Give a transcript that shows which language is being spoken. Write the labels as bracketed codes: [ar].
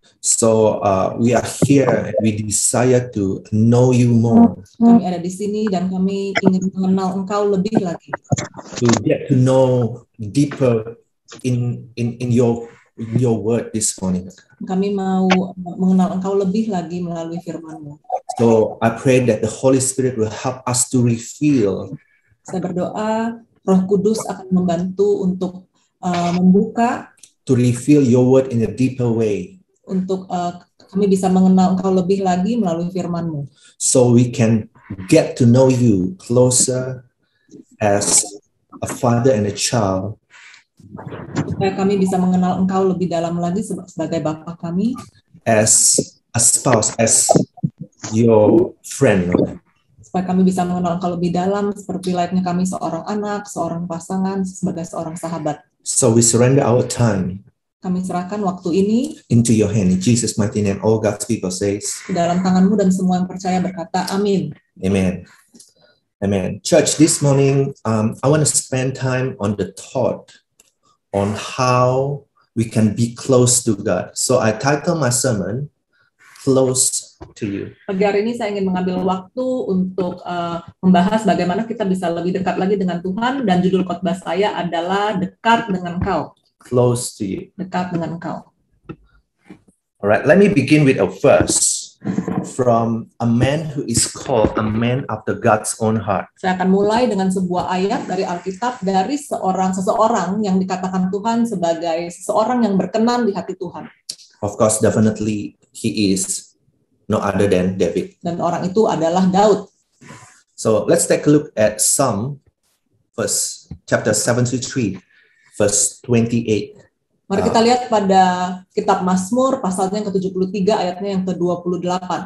[en] So we are here and we desire to know you more. [id] Kami ada di sini dan kami ingin mengenal Engkau lebih lagi. [en] To get to know deeper in your word this morning. [id] Kami mau mengenal Engkau lebih lagi melalui firman-Mu. [en] So I pray that the Holy Spirit will help us to reveal. [id] Saya berdoa Roh Kudus akan membantu untuk membuka, [en] to reveal your word in a deeper way. [id] Untuk kami bisa mengenal Engkau lebih lagi melalui firman-Mu. [en] So we can get to know you closer as a father and a child. [id] Supaya kami bisa mengenal Engkau lebih dalam lagi sebagai Bapa kami. [en] As a spouse, as your friend. [id] Supaya kami bisa mengenal Engkau lebih dalam seperti layaknya kami seorang anak, seorang pasangan, sebagai seorang sahabat. [en] So we surrender our time. [id] Kami serahkan waktu ini [en] into your hand, in Jesus mighty name, all God's people says. [id] Dalam tangan-Mu dan semua yang percaya berkata amin. [en] Amen. Amen. Church, this morning I want to spend time on the thought on how we can be close to God. So I title my sermon Close to You. [id] Pagi hari ini saya ingin mengambil waktu untuk membahas bagaimana kita bisa lebih dekat lagi dengan Tuhan dan judul khotbah saya adalah Dekat dengan Engkau. [en] Close to You. [id] Dekat dengan Engkau. [en] Alright, let me begin with a verse from a man who is called a man after God's own heart. [id] Saya akan mulai dengan sebuah ayat dari Alkitab dari seseorang yang dikatakan Tuhan sebagai seseorang yang berkenan di hati Tuhan. [en] Of course, definitely he is no other than David. [id] Dan orang itu adalah Daud. [en] So let's take a look at Psalm, first chapter 73. Verse 28. [id] Mari kita lihat pada kitab Mazmur pasalnya yang ke-73 ayatnya yang ke-28.